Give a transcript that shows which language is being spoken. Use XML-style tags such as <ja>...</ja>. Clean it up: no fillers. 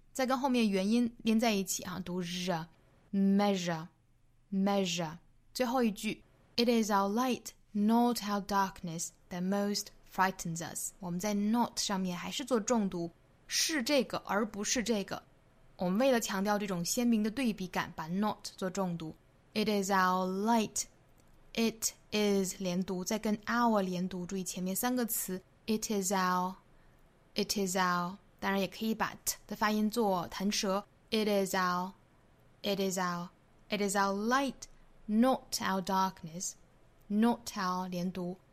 <zh>再跟后面元音连在一起啊读 r.</zh> <en>Measure, measure.</en> <zh>最后一句</zh> <en>It is our light, not our darkness, that most frightens us.</en> <zh>我们在 not 上面还是做重读，是这个而不是这个。我们为了强调这种鲜明的对比感，把 not 做重读。</zh> <en>It is our light.</en> <zh>It is 连读，再跟 our 连读，注意前面三个词。</zh> <en>It is our. It is our.</en> <zh>当然也可以把 t 的发音做弹舌。</zh> <en>It is our. It is our, it is our light, not our darkness, not our</en> <zh>连读</zh>